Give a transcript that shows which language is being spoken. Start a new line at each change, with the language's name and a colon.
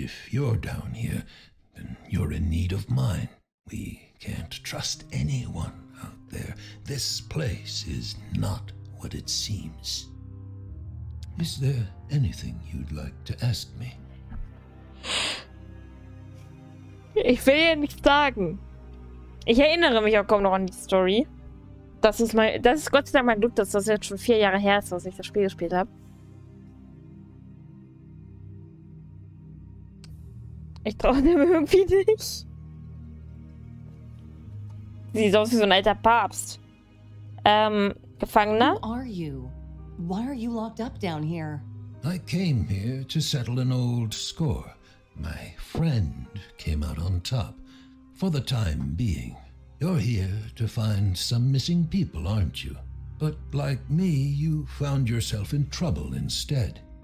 English: You're down here, then you're in need of mine. We can't trust anyone out there. This place is not what it seems. Is there anything you'd like to ask me?
German: Ich will ja nichts sagen. Ich erinnere mich auch kaum noch an die Story. Das ist Gott sei Dank mein Glück, dass das jetzt schon 4 Jahre her ist, dass ich das Spiel gespielt habe. Ich traue dem irgendwie nicht. Sieht aus wie so ein alter Papst. Gefangener?
English: Who are you? Why are you locked up down here? I came here to settle an old score. My friend came out on top. For the time being, you're here to find some missing people, aren't you? But like me, you found yourself in trouble instead.